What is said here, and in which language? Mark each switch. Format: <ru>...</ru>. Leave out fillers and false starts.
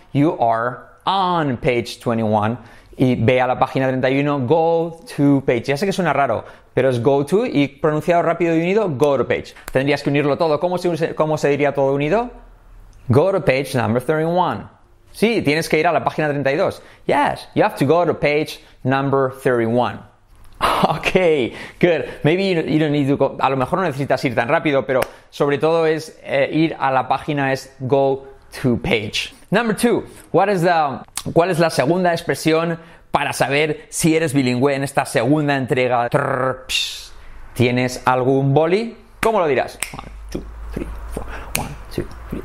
<en>You are on page 21.</en> <es>Y ve a la página 31.</es> <en>Go to page.</en> <es>Ya sé que suena raro, pero es go to y pronunciado rápido y unido,</es> <en>go to page.</en> <es>Tendrías que unirlo todo. ¿Cómo se diría todo unido?</es> <en>Go to page number 31.</en> <es>Sí, tienes que ir a la página 32.</es> <en>Yes, you have to go to page number 31. Ok, good. Maybe you don't need to go.</en> <es>A lo mejor no necesitas ir tan rápido, pero sobre todo es ir a la página, es go to page.</es> <en>Number two,</en> <es>¿cuál es la segunda expresión para saber si eres bilingüe en esta segunda entrega? ¿Tienes algún boli? ¿Cómo lo dirás? 1, 2, 3, 4. 1, 2, 3.</es>